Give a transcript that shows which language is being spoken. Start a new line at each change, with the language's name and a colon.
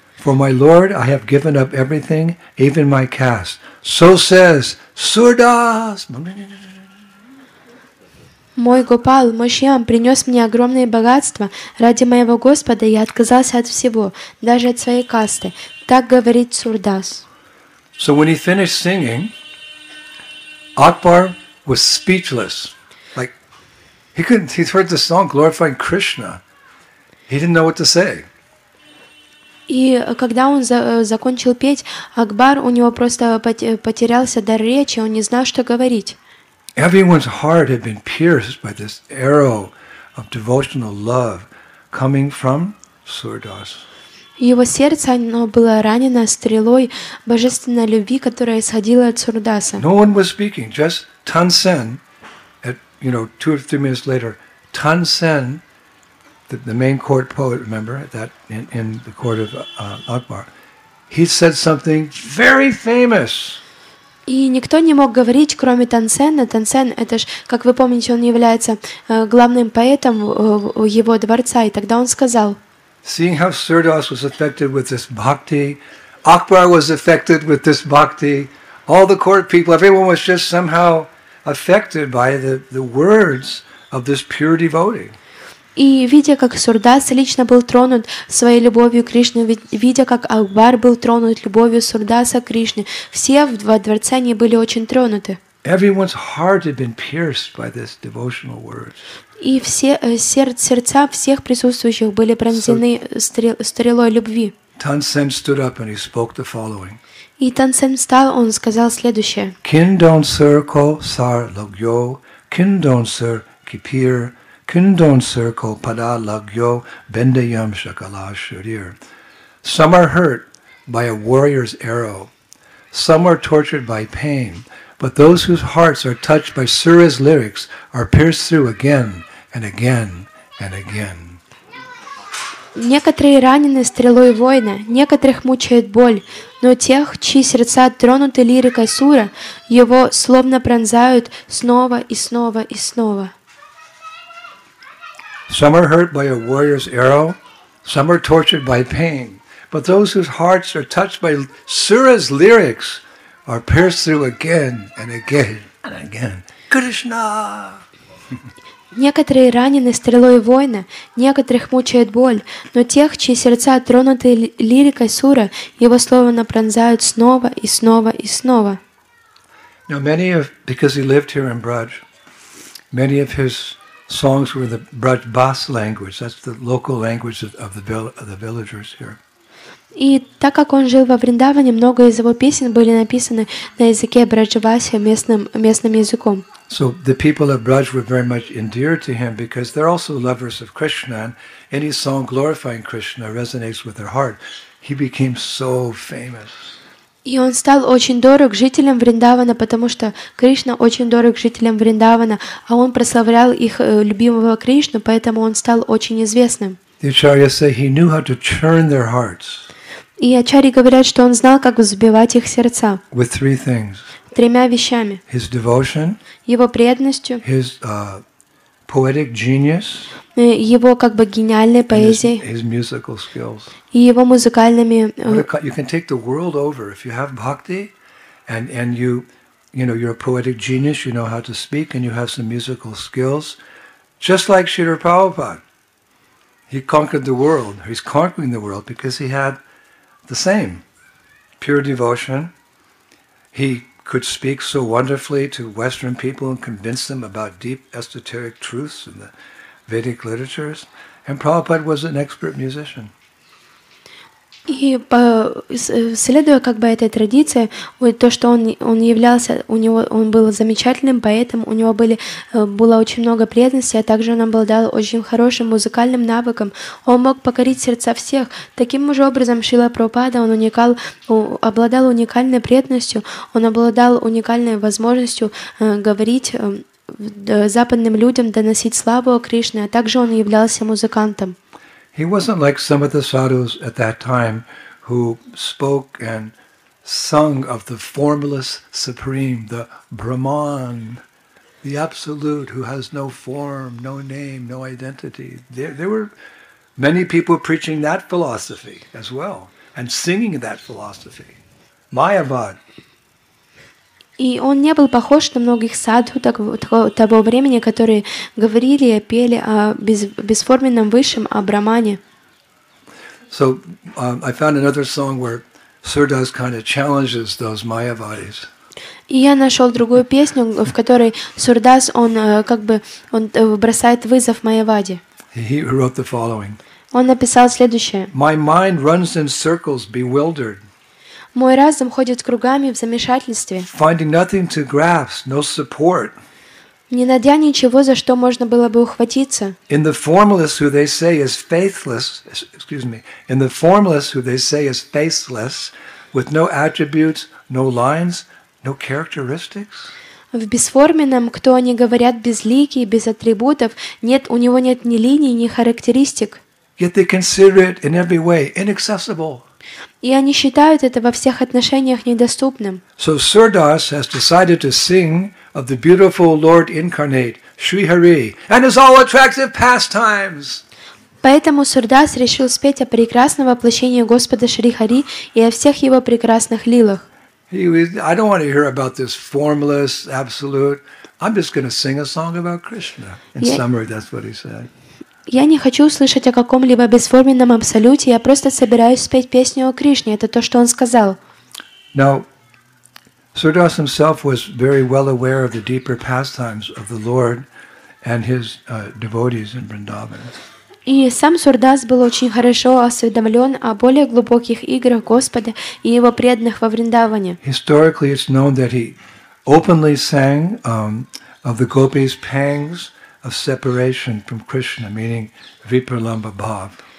English: For my Lord, I have given up everything, even my caste. So says Surdas.
Russian: Мой Гопал, мой Шьям, принес мне огромные богатства. Ради моего Господа я отказался от всего, даже от своей касты. Так говорит Сурдас.
English: So when he finished singing, Akbar was speechless. Like, he couldn't, he heard the song glorifying Krishna. He didn't know what to say.
Russian: И когда он закончил петь, Акбар, у него просто потерялся дар речи, он не знал, что говорить.
English: Everyone's heart had been pierced by this arrow of devotional love coming from Surdas.
Russian: Его сердце, оно было ранено стрелой божественной любви, которая исходила от Сурдаса.
English: No one was speaking, just Tan Sen, at, you know, two or three minutes later, Tan Sen, the main court poet, remember, that in the court of Akbar, he said something very famous.
Russian: И никто не мог говорить, кроме Тан Сена. Тан Сен, это ж, как вы помните, он является главным поэтом его дворца, и тогда он сказал...
English: Seeing how Surdas was affected with this bhakti, Akbar was affected with this bhakti, all the court people, everyone was just somehow affected by the words of this pure devotee.
Russian: И видя, как Сурдас лично был тронут своей любовью к Кришне, видя, как Акбар был тронут любовью Сурдаса к Кришне, все в два дворца не были очень тронуты.
English: Everyone's heart had been pierced by this devotional word.
Russian: И все сердца всех присутствующих были пронзены стрелой любви.
English: Tan Sen stood up and he spoke the following.
Russian: И Тан Сен встал, он сказал следующее.
Braj: Kindon sir ko sar logyo, kindon sir kipir, kindon sir ko pada logyo, bendayam shakala shurir.
English: Some are hurt by a warrior's arrow. Some are tortured by pain. But those whose hearts are touched by Surya's lyrics are pierced through again and again and again.
Russian: Некоторые ранены стрелой воина, некоторых мучает боль, но тех, чьи сердца тронуты лирикой Сура, его словно пронзают снова и снова и снова.
English: Some are hurt by a warrior's arrow, some are tortured by pain, but those whose hearts are touched by Surya's lyrics are pierced through again and again and again. Krishna!
Russian: Некоторые ранены стрелой воина, некоторых мучает боль, но тех, чьи сердца тронуты лирикой Сура, его словно пронзают снова и снова и снова.
English: Now many of, because he lived here in Braj, many of his songs were the Braj Bas language, that's the local language of the villagers here.
Russian: И так как он жил во Вриндаване, много из его песен были написаны на языке Браджаваси, местным языком.
English: So the people of Braj were very much endeared to him because they're also lovers of Krishna, and any song glorifying Krishna resonates with their heart. He became so famous.
Russian: И он стал очень дорог жителям Вриндавана, потому что Кришна очень дорог жителям Вриндавана, а он прославлял их любимого Кришну, поэтому он стал очень известным.
English: The Acharya say he knew how to turn their hearts.
Russian: И Ачари говорят, что он знал, как взбивать их сердца.
English: With three things.
Russian: Тремя вещами.
English: His devotion.
Russian: Его преданностью.
English: His poetic genius.
Russian: Его как бы гениальной поэзией.
English: His musical skills.
Russian: И его музыкальными.
English: You can take the world over if you have bhakti, and you know you're a poetic genius. You know how to speak, and you have some musical skills. Just like Srila Prabhupada. He conquered the world. He's conquering the world because he had the same pure devotion. He could speak so wonderfully to Western people and convince them about deep esoteric truths in the Vedic literatures. And Prabhupada was an expert musician.
Russian: И следуя как бы этой традиции, то, что он являлся, у него он был замечательным поэтом, у него было очень много преданности, а также он обладал очень хорошим музыкальным навыком. Он мог покорить сердца всех. Таким же образом Шрила Прабхупада, он обладал уникальной преданностью, он обладал уникальной возможностью говорить западным людям, доносить славу о Кришне, а также он являлся музыкантом.
English: He wasn't like some of the sadhus at that time who spoke and sung of the formless supreme, the Brahman, the absolute who has no form, no name, no identity. There were many people preaching that philosophy as well and singing that philosophy. Mayavad.
Russian: И он не был похож на многих садху того времени, которые говорили и пели о бесформенном высшем, о Брахмане.
English: So, I found another song where Surdas kind of challenges those Mayavadis.
Russian: И я нашел другую песню, в которой Сурдас, он бросает вызов Майяваде.
English: He wrote the following.
Russian: Он написал следующее.
English: My mind runs in circles, bewildered.
Russian: Мой разум ходит кругами в замешательстве.
English: Finding nothing to grasp, no support.
Russian: Не найдя ничего, за что можно было бы ухватиться.
English: In the formless who they say is faithless, excuse me, in the formless who they say is faceless, with no attributes, no lines, no characteristics.
Russian: В бесформенном, кто они говорят, безликий, без атрибутов, нет, у него нет ни линий, ни характеристик.
English: Yet they consider it in every way inaccessible.
Russian: И они считают это во всех отношениях недоступным.
English: So Surdas has decided to sing of the beautiful Lord incarnate, Sri Hari, and his all attractive pastimes.
Russian: Поэтому Сурдас решил спеть о прекрасном воплощении Господа Шри Хари и о всех его прекрасных лилах.
English: I don't want to hear about this formless absolute. I'm just going to sing a song about Krishna. In summary, that's what he said.
Russian: Я не хочу услышать о каком-либо бесформенном абсолюте, я просто собираюсь спеть песню о Кришне. Это то, что он сказал.
English: Now, Surdas himself was very well aware of the deeper pastimes of the Lord and his devotees in Vrindavan.
Russian: И сам Сурдас был очень хорошо осведомлен о более глубоких играх Господа и его преданных во Вриндаване.
English: Historically, it's known that he openly sang of the gopis' pangs, of separation from Krishna, meaning Vipralamba Bhav.